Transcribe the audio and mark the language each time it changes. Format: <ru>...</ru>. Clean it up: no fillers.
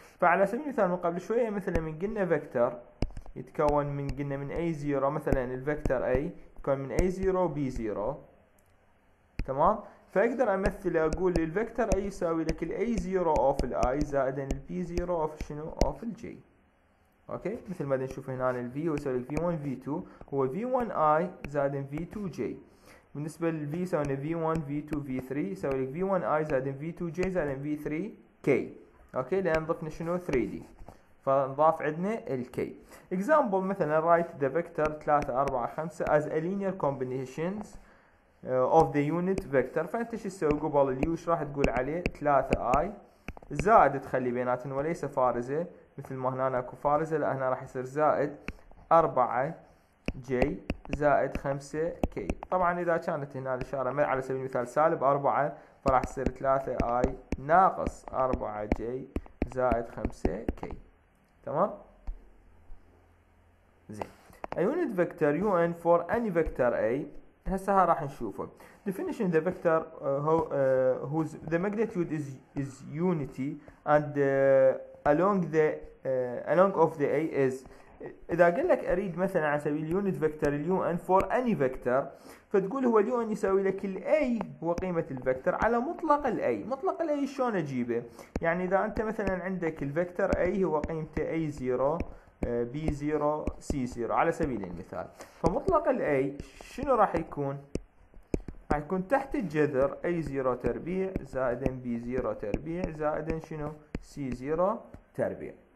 <ar>فعلى سبيل المثال من قبل شويه مثلا من قلنا فيكتور يتكون من قلنا من اي 0 مثلا، الفيكتور اي يكون من اي 0 بي 0 تمام. فاقدر امثله اقول الفيكتور اي يساوي لك الاي 0 اوف الاي زائد البي 0 اوف شنو؟ اوف الجي. اوكي، مثل ما نشوف هنا الفي هو يساوي في 1 في 2 هو في 1 اي زائد في 2 جي. بالنسبة لل V يساوي V1 V2 V3 يساوي لك V1I زائد V2 J زائد V3 K. اوكي، لان ضفنا شنو؟ 3D، فنضاف عندنا ال K.</ar> <en>Example</en> <ar>مثلا</ar> <en>write the vector 3 4 5 as a linear combinations of the unit vector.</en> <ar>فانت شو تسوي قبل ال U؟ ايش راح تقول عليه؟ 3I زائد تخلي بيناتهم وليس فارزة، مثل ما هنا اكو فارزة، لا هنا راح يصير زائد 4 J زائد 5 K. طبعا اذا كانت هنا الاشارة على سبيل المثال سالب 4 فراح تصير 3 I ناقص 4 J زائد 5 K. تمام؟ زين.</ar> <en>A unit vector UN for any vector A.</en> <ar>هسه راح نشوفه.</ar> <en>Definition the vector whose the magnitude is unity and along of the A is.</en> <ar>اذا قال لك اريد مثلا على سبيل اليونت فيكتور اليو ان فور اني فيكتور، فتقول هو اليو ان يساوي لك الاي هو قيمه الفيكتور على مطلق الاي. مطلق الاي شلون اجيبه؟ يعني اذا انت مثلا عندك الفيكتور اي هو قيمته اي 0 بي 0 سي 0 على سبيل المثال، فمطلق الاي شنو راح يكون؟ راح يكون تحت الجذر اي 0 تربيع زائد بي 0 تربيع زائد شنو؟ سي 0 تربيع.</ar>